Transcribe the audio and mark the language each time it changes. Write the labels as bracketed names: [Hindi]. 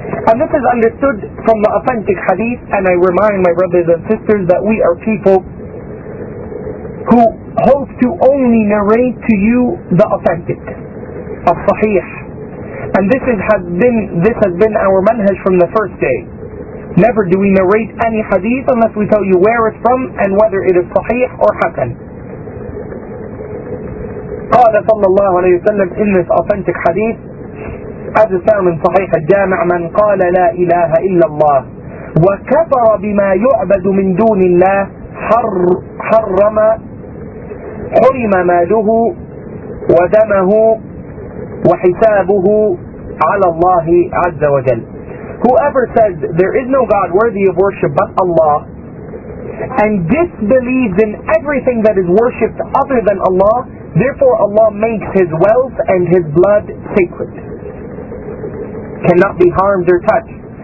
[English] And this is understood from the authentic hadith, and I remind my brothers and sisters that we are people who hope to only narrate to you the authentic, al-sahih. And this has been our manhaj from the first day. Never do we narrate any hadith unless we tell you where it's from and whether it is sahih or hasan. [Arabic] قال صلى الله عليه وسلم [English] in this authentic hadith, as is found in Sahih al-Jami, [Arabic] من قال لا إله إلا الله وكفر بما يعبد من دون الله حرم ماله ودمه وحسابه على الله عز وجل. [English] Whoever says there is no God worthy of worship but Allah, and disbelieves in everything that is worshipped other than Allah, therefore Allah makes his wealth and his blood sacred, cannot be harmed or touched.